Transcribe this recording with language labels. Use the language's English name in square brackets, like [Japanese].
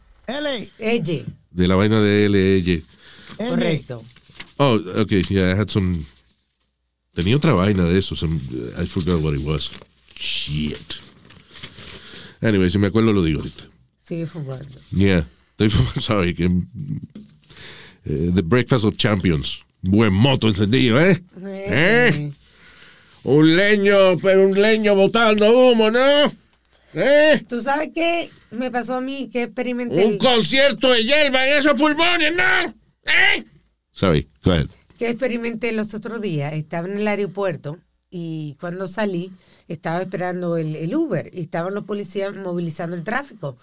[Spanish] L. Ey. De la vaina de L, Ey. Correcto. [English] Oh, okay. Yeah, I had some... [Spanish] Tenía otra vaina de eso. [English] I forgot what it was. Shit. [Spanish] Anyway, si me acuerdo lo digo ahorita. Sigue fumando. Yeah. Estoy fumando. Sorry. Que, [English] the Breakfast of Champions. [Spanish] Buen moto encendido, ¿eh? Sí. ¿Eh? Un leño, pero un leño botando humo, ¿no? ¿Eh? ¿Tú sabes qué me pasó a mí? ¿Qué experimenté? Un concierto de hierba en esos pulmones, ¿no? [English] ¿Eh? Sorry. Go ahead. [Spanish] Que experimenté los otros días, estaba en el aeropuerto y cuando salí estaba esperando el Uber y estaban los policías movilizando el tráfico.